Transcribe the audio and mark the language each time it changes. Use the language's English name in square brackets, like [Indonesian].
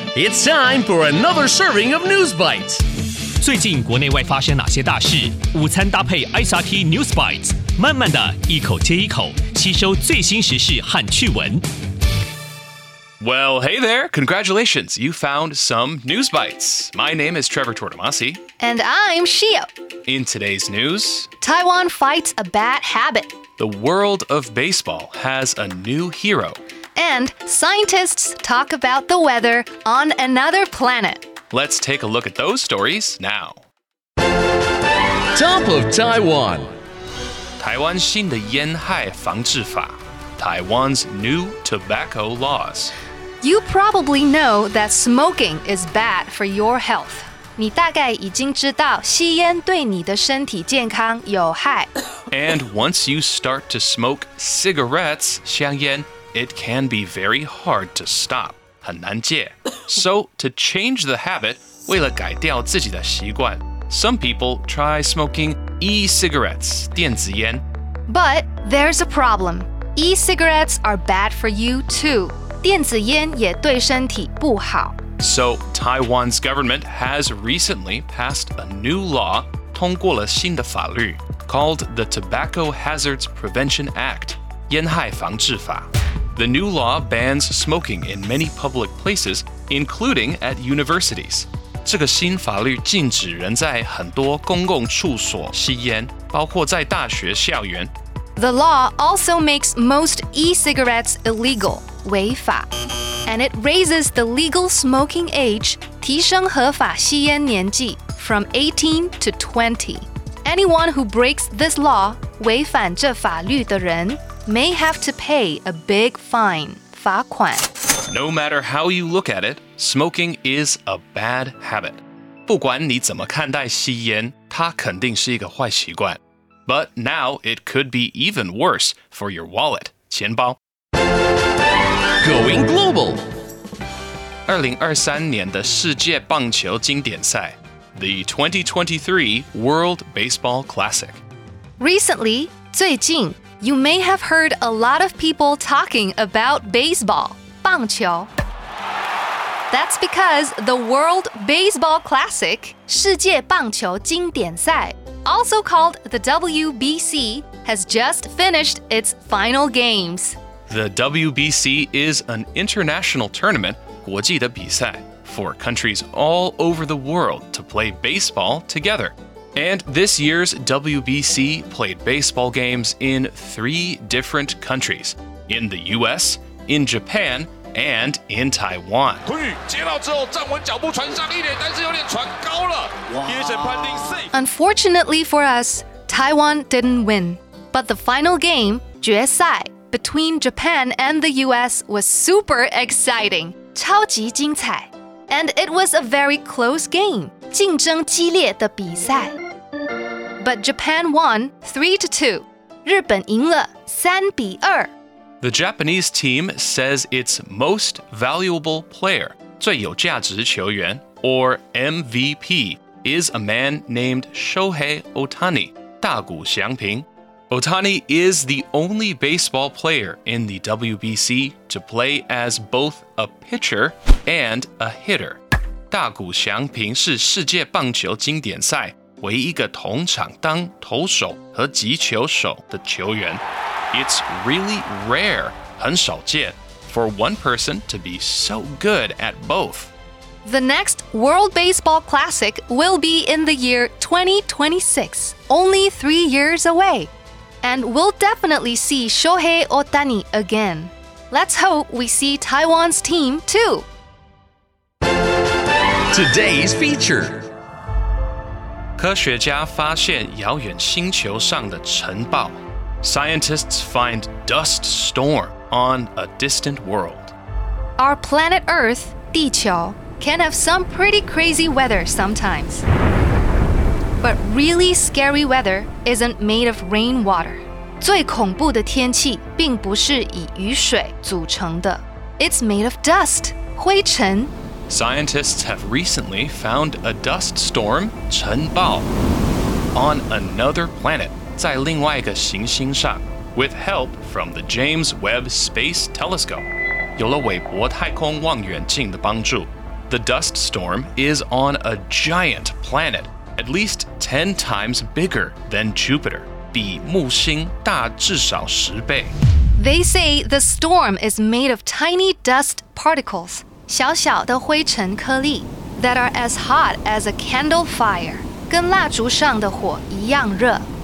[English] It's time for another serving of News Bites. [Chinese] 最近国内外发生哪些大事？午餐搭配 SRT News Bites， 慢慢的一口接一口，吸收最新时事和趣闻。 [English] Well, hey there! Congratulations, you found some News Bites. My name is Trevor Tortomasi. And I'm Shio. In today's news, Taiwan fights a bad habit. The world of baseball has a new hero. And scientists talk about the weather on another planet. Let's take a look at those stories now. Top of Taiwan. [Chinese] 台湾新的烟害防制法。 [English] Taiwan's new tobacco laws. You probably know that smoking is bad for your health. [Chinese] 你大概已经知道吸烟对你的身体健康有害。 [English] And once you start to smoke cigarettes, 香烟, it can be very hard to stop. [Chinese] 很难戒。 [English] So, to change the habit, [Chinese] 为了改掉自己的习惯, [English] some people try smoking e-cigarettes, 电子烟。 But there's a problem. E-cigarettes are bad for you, too. [Chinese] 电子烟也对身体不好。 [English] So, Taiwan's government has recently passed a new law, [Chinese] 通过了新的法律, [English] called the Tobacco Hazards Prevention Act, 烟害防制法。 The new law bans smoking in many public places, including at universities. [Chinese] 这个新法律禁止人在很多公共处所吸烟,包括在大学校园。 [English] The law also makes most e-cigarettes illegal, 违法, and it raises the legal smoking age, [Chinese] 提升合法吸烟年纪, [English] from 18 to 20. Anyone who breaks this law, [Chinese] 违反这法律的人, [English] may have to pay a big fine, 罚款. No matter how you look at it, smoking is a bad habit. [Chinese] 不管你怎么看待吸烟, 它肯定是一个坏习惯。 [English] But now, it could be even worse for your wallet, 钱包。 Going global! [Chinese] 2023年的世界棒球经典赛, [English] the 2023 World Baseball Classic. Recently, 最近, you may have heard a lot of people talking about baseball, 棒球。 That's because the World Baseball Classic, [Chinese] 世界棒球经典赛, [English] also called the W.B.C, has just finished its final games. The W.B.C is an international tournament, [Chinese] 国际的比赛, [English] for countries all over the world to play baseball together. And this year's W.B.C played baseball games in three different countries, in the U.S, in Japan,And in Taiwan. [Chinese] 接到之后站稳脚步传上一垒，但是有点传高了。一审判定 safe. [English] Unfortunately for us, Taiwan didn't win. But the final game, 决赛, between Japan and the U.S. was super exciting. [Chinese] 超级精彩。 [English] And it was a very close game. [Chinese] 竞争激烈的比赛。 [English] But Japan won 3-2. [Chinese] 日本赢了三比二。 [English] The Japanese team says its most valuable player, [Chinese] 最有价值球员, [English] or MVP, is a man named Shohei Ohtani, [Chinese] 大谷翔平. [English] Ohtani is the only baseball player in the WBC to play as both a pitcher and a hitter. [Chinese] 大谷翔平是世界棒球经典赛唯一个同场当投手和击球手的球员。 [English] It's really rare, [Chinese] 很少见, [English] for one person to be so good at both. The next World Baseball Classic will be in the year 2026, only 3 years away. And we'll definitely see Shohei Ohtani again. Let's hope we see Taiwan's team too. Today's feature. [Chinese] 科学家发现遥远星球上的尘暴。 [English] Scientists find dust storm on a distant world. Our planet Earth, 地球, can have some pretty crazy weather sometimes. But really scary weather isn't made of rainwater. [Chinese] 最恐怖的天气并不是以雨水组成的。 [English] It's made of dust, 灰尘。 Scientists have recently found a dust storm, 尘暴, on another planet. [Chinese] 在另外一个行星上 [English] with help from the James Webb Space Telescope. [Chinese] 有了韦伯太空望远镜的帮助。 [English] The dust storm is on a giant planet, at least 10 times bigger than Jupiter, [Chinese] 比木星大至少十倍。 [English] They say the storm is made of tiny dust particles, [Chinese] 小小的灰尘颗粒 [English] that are as hot as a candle fire, [Chinese] 跟蜡烛上的火一样热。